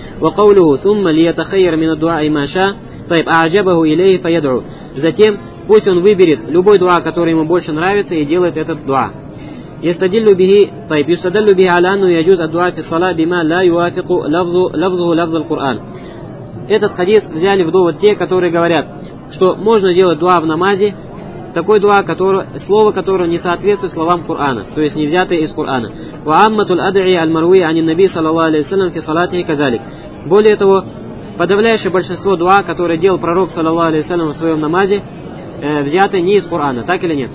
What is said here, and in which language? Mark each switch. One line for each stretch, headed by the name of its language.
Arabic: وقوله ثم ليتخير من الدعاء ما شاء. طيب أعجبه إليه فيدعو.
Russian: Затем пусть он выберет любой дуа, который ему больше нравится, и делает этот дуа.
Arabic: يستدلوا به. طيب يستدلوا به على أنه يجوز الدعاء في الصلاة بما لا يوافق لفظه لفظ القرآن.
Russian: Этот хадис взяли в довод те, которые говорят, что можно делать дуа в намазе такой дуа, слово которого не соответствует словам Кур'ана, то есть не взятое из Кур'ана.
Arabic: وَأَمَّةُ الْأَدْعِيَ أَلْمَرْوِيَ عَنِ النَّبِي صَلَى اللَّهُ عَلَيْهِ وَسَلَّمَ فِي صَلَاتِهِ كَذَلِكَ.
Russian: Более того, подавляющее большинство дуа, которые делал пророк, саллаллаху алейхи ва саллям, в своем намазе, взяты не из Кур'ана, так или нет?